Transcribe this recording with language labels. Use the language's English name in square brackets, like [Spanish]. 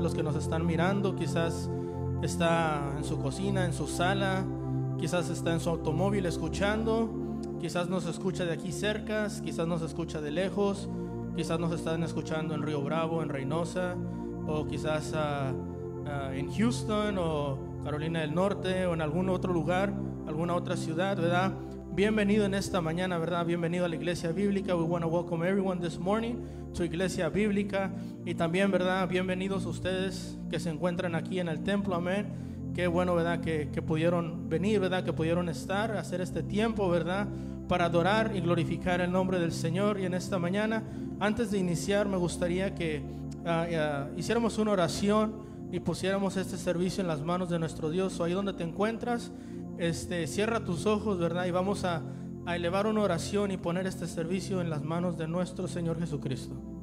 [Spanish] Los que nos están mirando, quizás está en su cocina, en su sala, quizás está en su automóvil escuchando, quizás nos escucha de aquí cerca, quizás nos escucha de lejos, quizás nos están escuchando en Río Bravo, en Reynosa, o quizás en Houston o Carolina del Norte o en algún otro lugar, alguna otra ciudad, ¿verdad? Bienvenido en esta mañana, ¿verdad? Bienvenido a la Iglesia Bíblica. [English] We want to welcome everyone this morning to Iglesia Bíblica. [Spanish] Y también, ¿verdad?, bienvenidos ustedes que se encuentran aquí en el templo, amén. Qué bueno, ¿verdad?, que pudieron venir, ¿verdad?, que pudieron estar, hacer este tiempo, ¿verdad?, para adorar y glorificar el nombre del Señor. Y en esta mañana, antes de iniciar, me gustaría que hiciéramos una oración y pusiéramos este servicio en las manos de nuestro Dios. O ahí donde te encuentras, cierra tus ojos, ¿verdad?, y vamos a elevar una oración y poner este servicio en las manos de nuestro Señor Jesucristo.